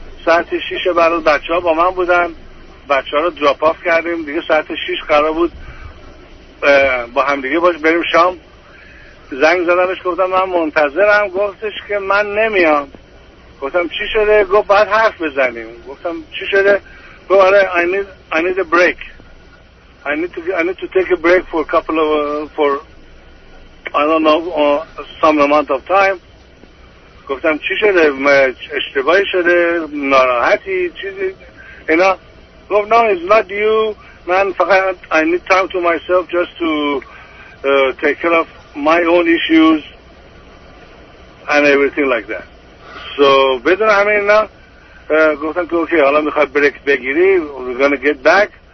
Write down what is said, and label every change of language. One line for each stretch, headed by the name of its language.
Persian: ساعت 6 برای بچه ها با من بودن، بچه ها رو دراپ آف کردیم، دیگه ساعت 6 قرار بود با همدیگه باش بریم شام. زنگ زدمش گفتم من منتظرم، گفتش که من نمیام. گفتم چی شده؟ گفت باید حرف بزنیم. گفتم چی شده؟ گفت آره
English: I need a break. I need to take a break for a couple of for I don't know some amount of time.
Persian: گفتم چی شده؟ اشتباهی شده؟ ناراحتی؟ چیزی؟ اینا گفت نه،
English: it's not you.
Persian: من فقط
English: I need time to myself just to take care of my own issues and everything like that.
Persian: So بدون همه اینا گفتم که اوکی، حالا میخواد بریک بگیری،
English: we're gonna get back.